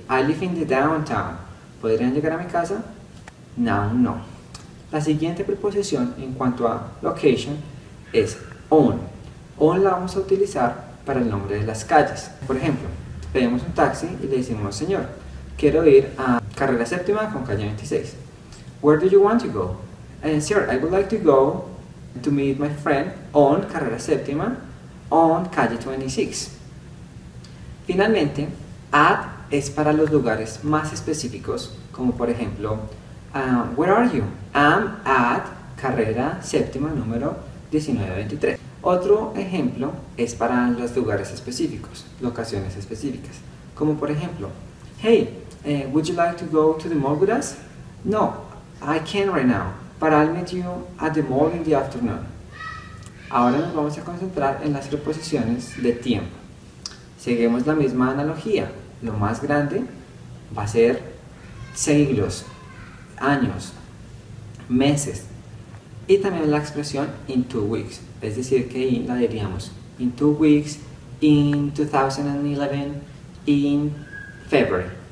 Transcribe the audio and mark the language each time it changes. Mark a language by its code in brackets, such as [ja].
[en] I live in the downtown. [es] ¿Podrían llegar a mi casa? No, no. La siguiente preposición en cuanto a location es on. On la vamos a utilizar para el nombre de las calles. Por ejemplo, pedimos un taxi y le decimos: señor, quiero ir a Carrera Séptima con calle 26. [en] Where do you want to go? And sir, I would like to go to meet my friend on Carrera Séptima on calle 26. [es] Finalmente, at es para los lugares más específicos, como por ejemplo, [en] where are you? I'm at Carrera Séptima número 1923. [es] Otro ejemplo es para los lugares específicos, locaciones específicas. Como por ejemplo, [en] hey, would you like to go to the mall with us? No, I can't right now, but I'll meet you at the mall in the afternoon. [es] Ahora nos vamos a concentrar en las preposiciones de tiempo. Seguimos la misma analogía. Lo más grande va a ser siglos, años, meses. Y también la expresión in 2 weeks. Es decir, que in la diríamos [en] in 2 weeks, in 2011, in February.